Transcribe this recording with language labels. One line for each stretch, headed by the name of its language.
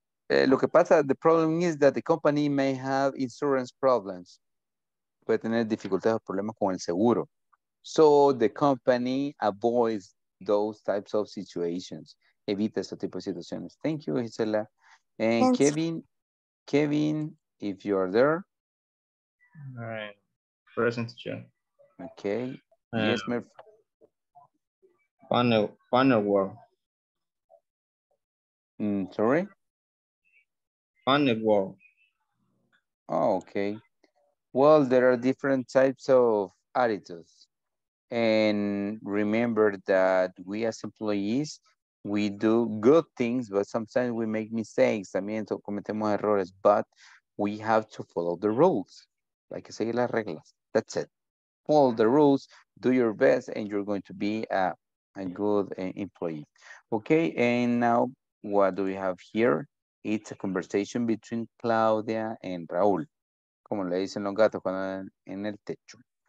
Spanish: Lo que pasa,
English: the problem is that the company may have insurance problems.
Spanish: Puede tener dificultades o problemas con el seguro.
English: So the company avoids those types of situations.
Spanish: Evita ese tipo de situaciones.
English: Thank you, Gisela. And Kevin, if you are there. All right. Present, Jen. Okay. Yes, my friend. Panel work. Sorry? Panel work. Oh, okay. Well, there are different types of attitudes. And remember that we as employees, we do good things, but sometimes we make mistakes.
Spanish: También cometemos errores,
English: but we have to follow the rules.
Spanish: Hay que seguir las reglas.
English: That's it. Follow the rules, do your best, and you're going to be a good employee. Okay, and now what do we have here? It's a conversation between Claudia and Raúl.
Spanish: Como le dicen los gatos cuando en el techo.